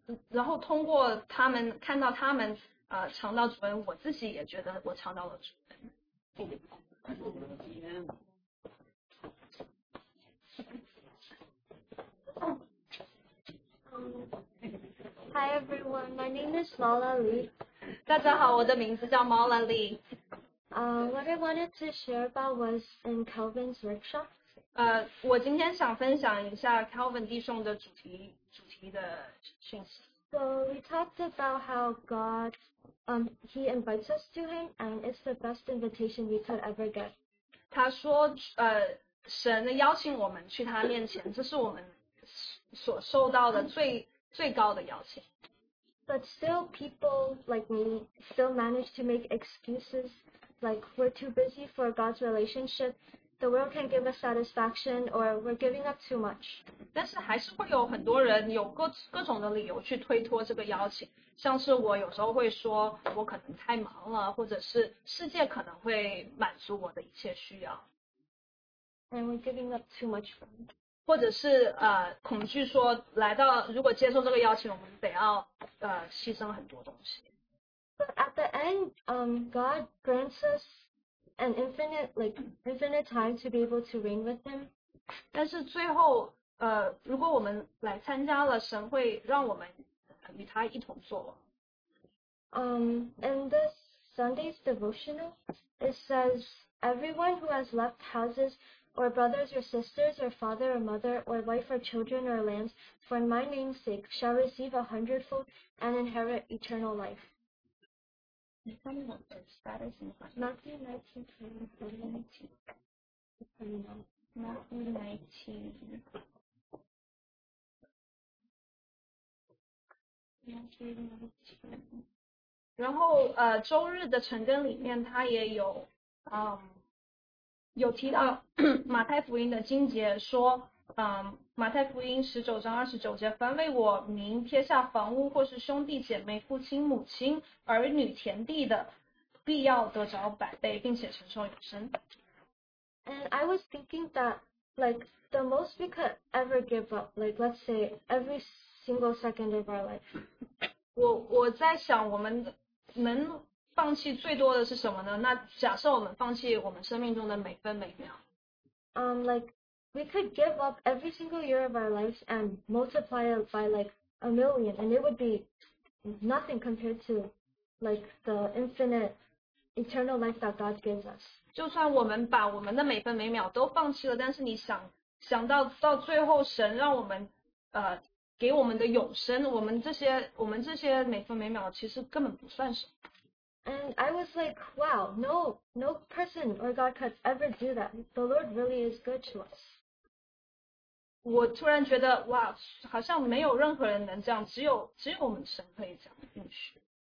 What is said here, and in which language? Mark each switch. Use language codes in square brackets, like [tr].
[zh] 然后通过他们看到他们尝到主恩，我自己也觉得我尝到了主恩。 [en] Amen. Hi everyone, my name is Mala Lee. [zh] 大家好，我的名字叫 Mala Lee。 [en] What I wanted to share about was in Calvin's workshop. [zh] 我今天想分享一下 Calvin 弟兄的主题的讯息。 [en] So we talked about how God, he invites us to him, and it's the best invitation we could ever get. [zh] 他说，神邀请我们去他面前，这是我们所受到的最高的邀请。 [en] But still, people like me still manage to make excuses. Like, we're too busy for God's relationship. The world can't give us satisfaction, or we're giving up too much. [zh] 但是还是会有很多人有各种的理由去推脱这个邀请。像是我有时候会说我可能太忙了，或者是世界可能会满足我的一切需要。 [en] And we're giving up too much. [zh] 或者是恐惧说来到，如果接受这个邀请，我们得要牺牲很多东西。 [en] But at the end, God grants us an infinite time to be able to reign with Him. [zh] 但是最后，如果我们来参加了，神会让我们与他一同坐。 [en] In this Sunday's devotional, it says, "Everyone who has left houses, or brothers or sisters, or father or mother, or wife or children or lands, for my name's sake, shall receive a hundredfold and inherit eternal life." Matthew 19:19. [zh] 然后周日的晨更里面他也有提到马太福音的经节说马太福音19:29，凡为我名撇下房屋或是兄弟姐妹父亲母亲儿女田地的必要得着百倍并且承受永生。 [en] And I was thinking that like the most we could ever give up, like let's say every single second of our life. [zh] 我在想我们能放弃最多的是什么呢？那假设我们放弃我们生命中的每分每秒。 [en] We could give up every single year of our lives and multiply it by like a million, and it would be nothing compared to like the infinite eternal life that God gives us. [zh] 就算我们把我们的每分每秒都放弃了，但是你想到最后，神让我们给我们的永生，我们这些每分每秒其实根本不算什么。 [en] And I was like, wow, no person or God could ever do that. The Lord really is good to us. [zh] 我突然觉得，哇，好像没有任何人能这样，只有我们神可以这样允许。